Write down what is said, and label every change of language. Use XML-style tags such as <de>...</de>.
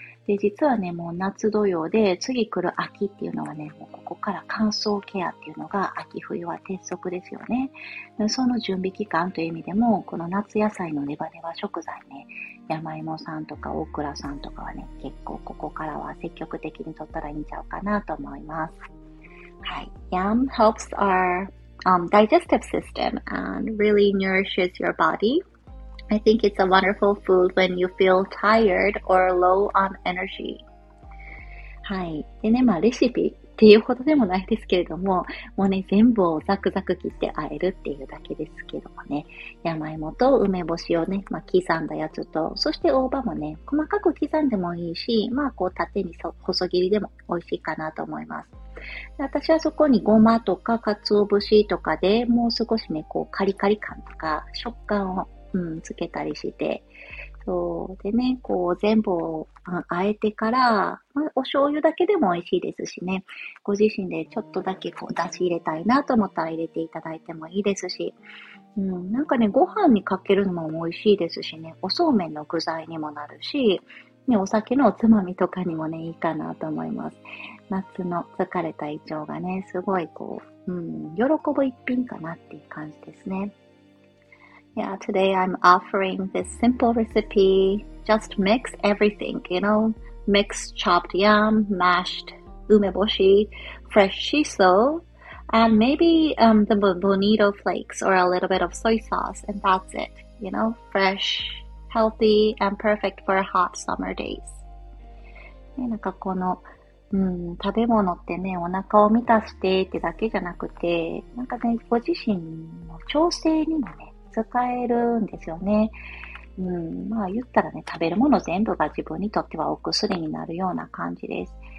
<ja>で、実はね、もう夏土用で、次来る秋っていうのはね、もうここから乾燥ケアっていうのが秋冬は鉄則ですよね。その準備期間という意味でも、この夏野菜のネバネバ食材ね、山芋さんとかオクラさんとかはね、結構ここからは積極的に取ったらいいんちゃうかなと思います。はい。</ja> <en>Yam helps our digestive system and really nourishes your body. I think it's a wonderful food when you feel tired or low on energy.</en> <ja>はい。でね、まあレシピっていうほどでもないですけれども、もうね、全部をザクザク切ってあえるっていうだけですけどもね、山芋と梅干しをね、まあ刻んだやつと、そして大葉もね、細かく刻んでもいいし、まあこう縦に細切りでも美味しいかなと思います。私はそこにごまとか鰹節とかでもう少しね、こうカリカリ感とか食感をうん、つけたりして。そう。でね、こう、全部を、あえてから、お醤油だけでも美味しいですしね。ご自身でちょっとだけ、こう、出汁入れたいなと思ったら入れていただいてもいいですし。うん、なんかね、ご飯にかけるのも美味しいですしね。おそうめんの具材にもなるし、ね、お酒のおつまみとかにもね、いいかなと思います。夏の疲れた胃腸がね、すごい、こう、うん、喜ぶ一品かなっていう感じですね。</ja> <en>Yeah, today I'm offering this simple recipe. Just mix everything, you know, mix chopped yam, mashed umeboshi, fresh shiso, and maybe the bonito flakes or a little bit of soy sauce, and that's it. You know, fresh, healthy, and perfect for hot summer days.</en> <ja>なんかこの、食べ物ってね、お腹を満たしてってだけじゃなくて、なんかね、ご自身の調整にもね、使えるんですよね。まあ言ったらね、食べるもの全部が自分にとってはお薬になるような感じです。</ja>